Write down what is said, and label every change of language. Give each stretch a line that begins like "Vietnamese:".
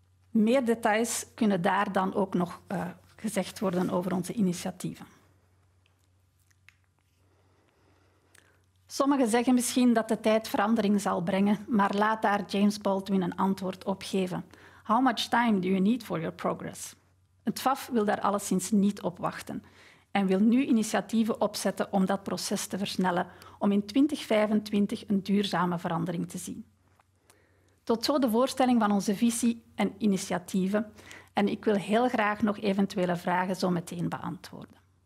Dutch: Meer details kunnen daar dan ook nog gezegd worden over onze initiatieven. Sommigen zeggen misschien dat de tijd verandering zal brengen, maar laat daar James Baldwin een antwoord op geven.
English: How much time do you need for your progress?
Dutch: Het VAF wil daar alleszins niet op wachten en wil nu initiatieven opzetten om dat proces te versnellen, om in 2025 een duurzame verandering te zien. Tot zo de voorstelling van onze visie en initiatieven. En ik wil heel graag nog eventuele vragen zo meteen beantwoorden.